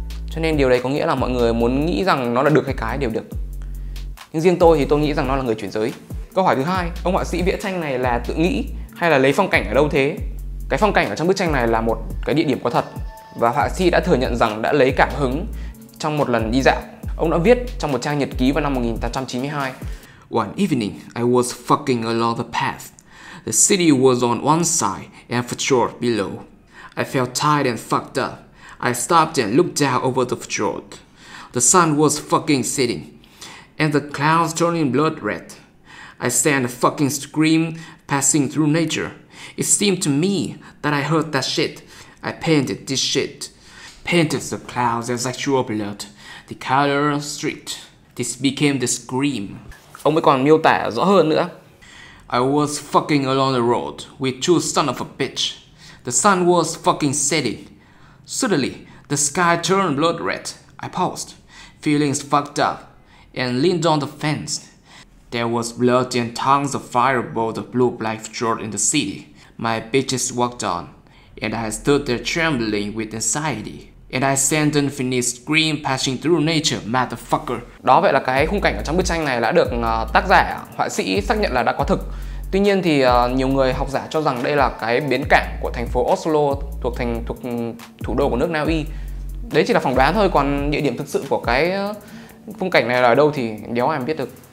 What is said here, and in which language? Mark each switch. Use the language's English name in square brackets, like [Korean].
[Vietnamese] Cho nên điều đấy có nghĩa là mọi người muốn nghĩ rằng nó là được hay cái đều được. Nhưng riêng tôi thì tôi nghĩ rằng nó là người chuyển giới. Câu hỏi thứ hai, ông họa sĩ vẽ tranh này là tự nghĩ hay là lấy phong cảnh ở đâu thế? Cái phong cảnh ở trong bức tranh này là một cái địa điểm có thật và họa sĩ đã thừa nhận rằng đã lấy cảm hứng trong một lần đi dạo. Ông đã viết trong một trang nhật ký vào năm 1892. [English] One evening, I was fucking along the path. The city was on one side and fjord below. I felt tired and fucked up. I stopped and looked down over the fjord. The sun was fucking setting and the clouds turning blood red. I sent a fucking scream passing through nature. It seemed to me that I heard that shit. I painted this shit. Painted the clouds as actual blood. The color streaked. This became the scream. [Vietnamese] Ông ấy còn miêu tả rõ hơn nữa. [English] I was fucking along the road with two son of a bitch. The sun was fucking setting. Suddenly, the sky turned blood red. I paused, feelings fucked up, and leaned on the fence. There was blood and tongues of fire above the blue-black fjord in the city. My bitches walked on, and I stood there trembling with anxiety. And I sent an infinite scream passing through nature, motherfucker. [Vietnamese] Đó vậy là cái khung cảnh ở trong bức tranh này đã được tác giả, họa sĩ xác nhận là đã có thực. Tuy nhiên thì nhiều người học giả cho rằng đây là cái bến cảng của thành phố Oslo thuộc thủ đô của nước Na Uy. Đấy chỉ là phỏng đoán thôi, còn địa điểm thực sự của cái khung cảnh này là ở đâu thì đéo ai mà biết được.